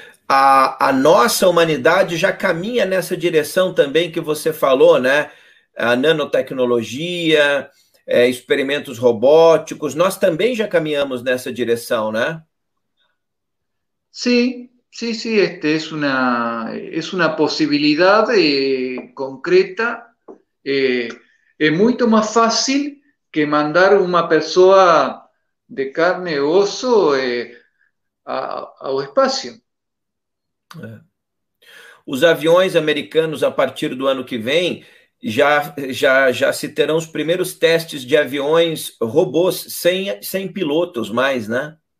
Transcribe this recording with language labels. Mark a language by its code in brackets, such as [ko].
[pt] A nossa humanidade já caminha nessa direção também que você falou, né? A nanotecnologia, experimentos robóticos, nós também já caminhamos nessa direção, né? [es] Sí, es una posibilidad concreta. Es mucho más fácil que mandar una persona de carne y hueso al espacio. [pt] Os aviões americanos, a partir do ano que vem, já se terão os primeiros testes de aviões robôs sem pilotos mais, né?